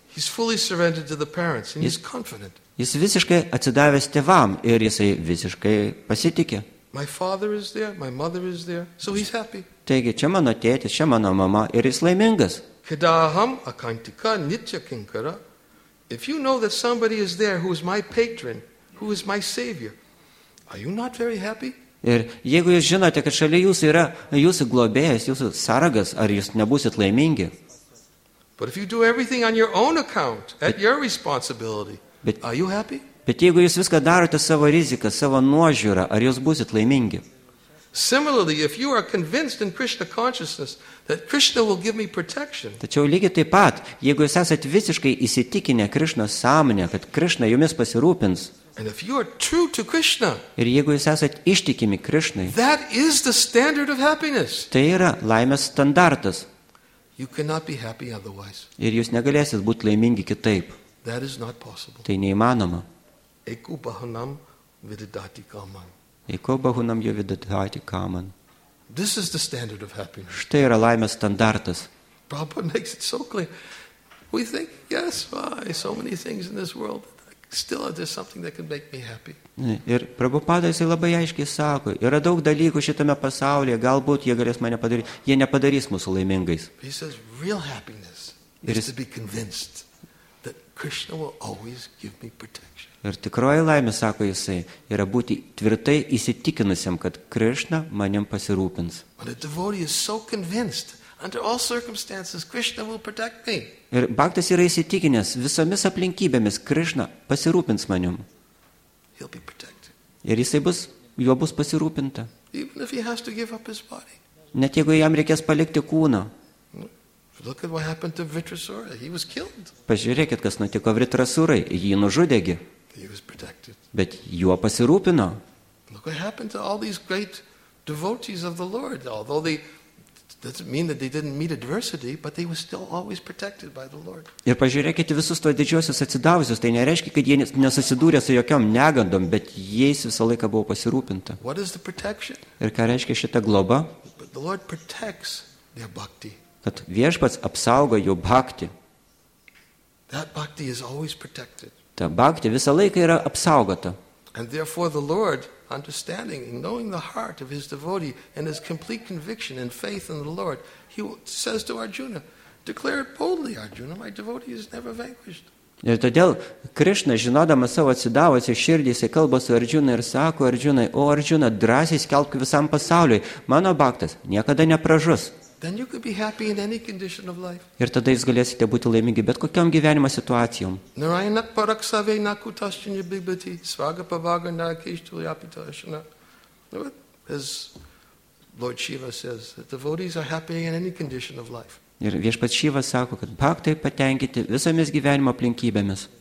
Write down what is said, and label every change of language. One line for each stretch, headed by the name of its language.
English: He's fully surrendered to the parents and he's confident.
Lithuanian: Jis visiškai atsidavęs tėvam ir jisai visiškai pasitikė.
English: My father is there, my mother is there, so he's happy.
Lithuanian: Taigi, čia mano tėtis, čia mano mama ir jis laimingas.
Sanskrit: Kedaham akantika nitya kinkara.
English: If you know that somebody is there who is my patron, who is my savior, are you not very happy?
Lithuanian: Ir jeigu jūs žinote, kad šalia jūsų yra jūsų globėjas, jūsų sargas, ar jūs nebūsit laimingi?
English: But if you do everything on your own account, at your responsibility, are you happy?
Lithuanian: Bet jeigu jūs viską darote savo riziką, savo nuožiūrą, ar jūs būsit laimingi?
English: Similarly, if you are convinced in Krishna consciousness that Krishna will give me protection.
Lithuanian: Tačiau lygiai taip pat, jeigu jūs esate visiškai įsitikinę Krishnos sąmonę, kad Krishna jumis pasirūpins.
English: And if you are true to Krishna.
Lithuanian: Ir jeigu jūs esate ištikimi Krishnai.
English: That is the standard of happiness.
Lithuanian: Tai yra laimės standartas.
English: You cannot be happy otherwise.
Lithuanian: Ir jūs negalėsit būti laimingi kitaip.
English: That is not possible.
Lithuanian: Tai neįmanoma.
Sanskrit: Eku bahunam vididati kaman. Eko bahunam jo vidadhati kaman.
English: This is the standard of happiness.
Lithuanian: Štai yra laimės standartas.
English: Prabhupada makes it so clear. We think, yes, why? So many things in this world. Still, there's something that can make me happy.
Lithuanian: Ir Prabhupada jisai labai aiškiai sako, yra daug dalykų šitame pasaulyje, galbūt jie galės mane padaryti, jie nepadarys mūsų laimingais.
English: He says, real happiness is to be convinced that Krishna will always give me protection.
Lithuanian: Ir tikroji laimė, sako jisai, yra būti tvirtai įsitikinusiam, kad Krishna manim pasirūpins.
English: But a devotee is so convinced, under all circumstances, Krishna will protect me.
Lithuanian: Ir bhaktas yra įsitikinęs, visomis aplinkybėmis Krishna pasirūpins manim.
English: He'll be protected.
Lithuanian: Ir jisai bus, juo bus pasirūpinta.
English: Even if he has to give up his body.
Lithuanian: Net jeigu jam reikės palikti kūną.
English: Look at what happened to Vritrasura. He was killed.
Lithuanian: Pažiūrėkit, kas nutiko Vritrasurai, jį nužudėgi.
English: He was protected.
Lithuanian: Bet juo pasirūpino.
English: Look what happened to all these great devotees of the Lord. Although they doesn't mean that they didn't meet adversity, but they were still always protected by the Lord.
Lithuanian: Ir pažiūrėkite visus tuos didžiosius atsidavusius, tai nereiškia, kad jie nesusidūrė su jokiom negandom, bet jais visą laiką buvo pasirūpinta.
English: What is the protection?
Lithuanian: Ir ką reiškia šita globa?
English: But the Lord protects their bhakti.
Lithuanian: Kad Viešpats apsaugo jų bhakti.
English: That bhakti is always protected.
Lithuanian: Ta bhakti visą laiką yra apsaugota.
English: And therefore the Lord, understanding and knowing the heart of his devotee and his complete conviction and faith in the Lord, he says to Arjuna, declare it boldly, Arjuna, my devotee is never vanquished.
Lithuanian: Ir todėl Krishna, žinodamas savo atsidavusią širdį, jisai kalba su Arjuna ir sako Arjunai, o Arjuna, drąsiai skelbk visam pasauliui, mano bhaktas niekada nepražus.
English: Then you could be happy in any condition of life.
Lithuanian: Ir tada jūs galėsite būti laimingi bet kokiom gyvenimo situacijom.
Sanskrit: Narayana paraksave nakutashtinya bibhati svaga pavaga nakishtulyapitashana.
English: As Lord Shiva says, that devotees are happy in any condition of life.
Lithuanian: Ir Viešpats Shiva sako, kad bhaktai patenkinti visomis gyvenimo aplinkybėmis.